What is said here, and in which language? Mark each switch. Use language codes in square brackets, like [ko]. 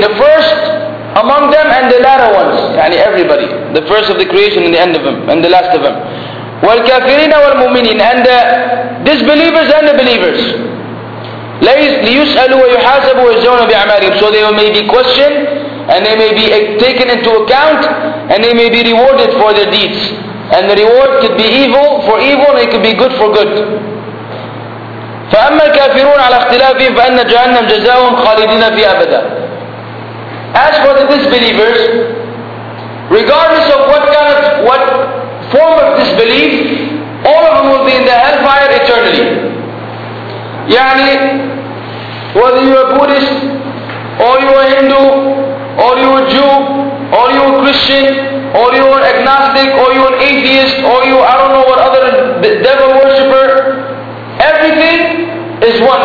[en] The first among them and the latter ones. يعني everybody. The first of the creation and the end of them. And the last of them. [ar] والكافرين والمؤمنين. [en] And the disbelievers and the believers. [ar] ليسألوا ويحاسبوا ويجزون بأعمالهم. [en] So they may be questioned and they may be taken into account and they may be rewarded for their deeds. And the reward could be evil for evil and it could be good for good. [ar] فأما الكافرون على اختلافهم فأن جهنم جزاؤهم خالدين فيها أبدا. [en] As for the disbelievers, regardless of what form of disbelief, all of them will be in the hellfire eternally. يعني whether you are Buddhist or you are Hindu or you are Jew or you are Christian or you are agnostic or you are atheist or you I don't know what other devil worshipper, everything is one.